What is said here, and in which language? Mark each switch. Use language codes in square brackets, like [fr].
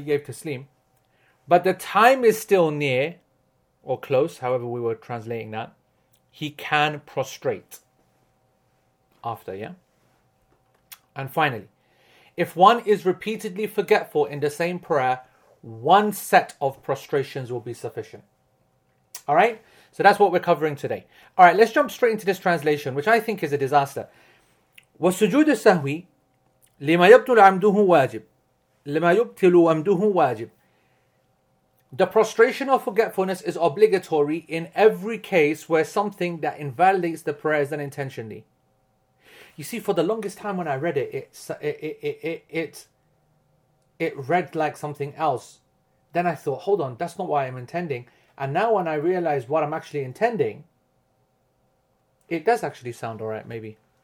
[en] gave taslim, but the time is still near, or close, however we were translating that, he can prostrate after, yeah? And finally, if one is repeatedly forgetful in the same prayer, one set of prostrations will be sufficient. All right? So that's what we're covering today. All right, let's jump straight into this translation, which I think is a disaster. [ar] والسجود السهوي لما يبطل عمده واجب لما يبطل عمده واجب. [en] The prostration of forgetfulness is obligatory in every case where something that invalidates the prayer is done intentionally. You see, for the longest time when I read it, it read like something else. Then I thought, hold on, that's not what I'm intending. And now when I realize what I'm actually intending, it does actually sound all right, maybe.